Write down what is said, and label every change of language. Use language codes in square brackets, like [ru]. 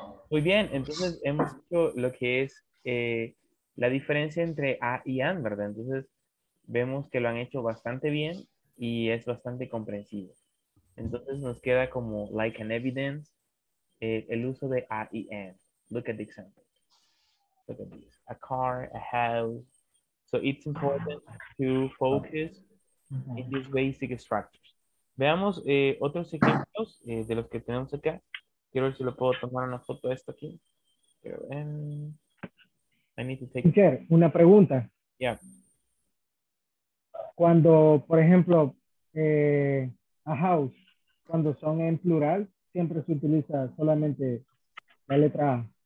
[es] Muy bien, entonces hemos hecho lo que es la diferencia entre A y AN, ¿verdad? Entonces vemos que lo han hecho bastante bien y es bastante comprensible. Entonces nos queda como [en] like an evidence [es] el uso de A y AN. [en] Look at the example. Look at this. A car, a house. So it's important to focus in these basic structures. [es] Veamos otros ejemplos de los que tenemos acá. Quiero ver si lo puedo tomar una foto de esto aquí. Pero, [en] I need to take [es] teacher, una pregunta. [en] Yeah. [es] Cuando, por ejemplo, a house, cuando son en plural, siempre se utiliza solamente la letra A.